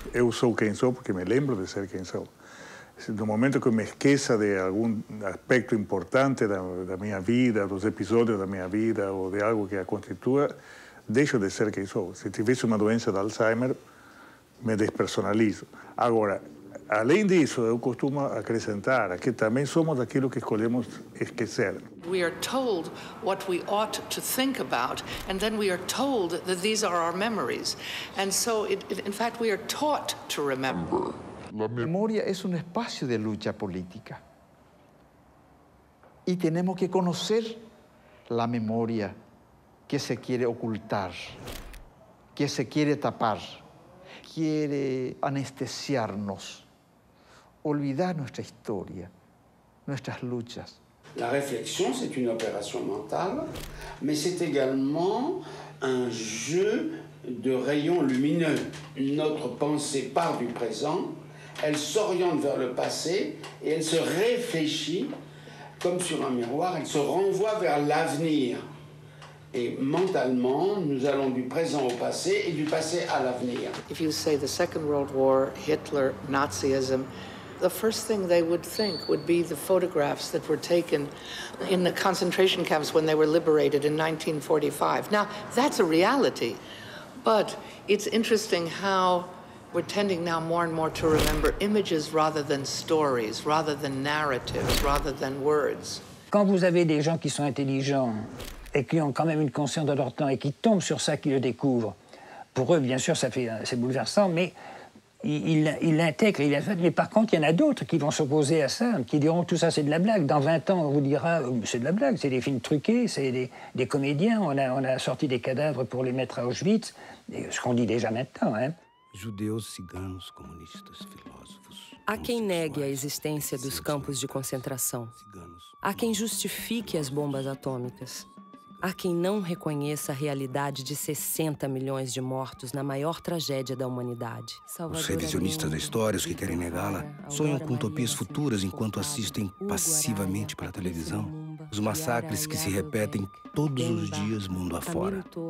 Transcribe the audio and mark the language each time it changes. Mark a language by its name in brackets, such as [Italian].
[Portuguese] Eu sou quem sou porque me lembro de ser quem sou. No momento que eu me esqueça de algum aspecto importante da minha vida, dos episódios da minha vida ou de algo que a constitua, deixo de ser quem sou. Se tivesse uma doença de Alzheimer, me despersonalizo. Agora, além disso, eu costumo acrescentar que também somos aquilo que escolhemos esquecer. [English] We are told what we ought to think about, and then we are told that these are our memories. And so, in fact, we are taught to remember. [Spanish] La memoria es un espacio de lucha política. Y tenemos que conocer la memoria que se quiere ocultar, que se quiere tapar, quiere anestesiarnos. Olvidar nuestra historia, nuestras luchas. [French] La réflexion, c'est une opération mentale, mais c'est également un jeu de rayons lumineux. Notre pensée part du présent, elle s'oriente vers le passé et elle se réfléchit comme sur un miroir, elle se renvoie vers l'avenir. Et mentalement, nous allons du présent au passé et du passé à l'avenir. [English] If you say the Second World War, Hitler, Nazism, the first thing they would think would be the photographs that were taken in the concentration camps when they were liberated in 1945. Now, that's a reality. But it's interesting how we're tending now more and more to remember images rather than stories, rather than narratives, rather than words. [French] Quand vous avez des gens qui sont intelligents et qui ont quand même une conscience de leur temps et qui tombent sur ça, qui le découvrent, pour eux, bien sûr, ça fait, c'est bouleversant, mais il l'intègre, il l'a fait. Mais par contre, il y en a d'autres qui vont s'opposer à ça, qui diront tout ça, c'est de la blague. Dans 20 ans, on vous dira, c'est de la blague, c'est des films truqués, c'est des comédiens, on a sorti des cadavres pour les mettre à Auschwitz, et ce qu'on dit déjà maintenant. Hein. [Portuguese] Judeus, ciganos, comunistas, filósofos. Há quem negue a existência dos campos de concentração. Há quem justifique as bombas atômicas. Há quem não reconheça a realidade de 60 milhões de mortos na maior tragédia da humanidade. Os revisionistas da história, os que querem negá-la, sonham com utopias futuras enquanto assistem passivamente pela televisão os massacres que se repetem todos os dias mundo afora.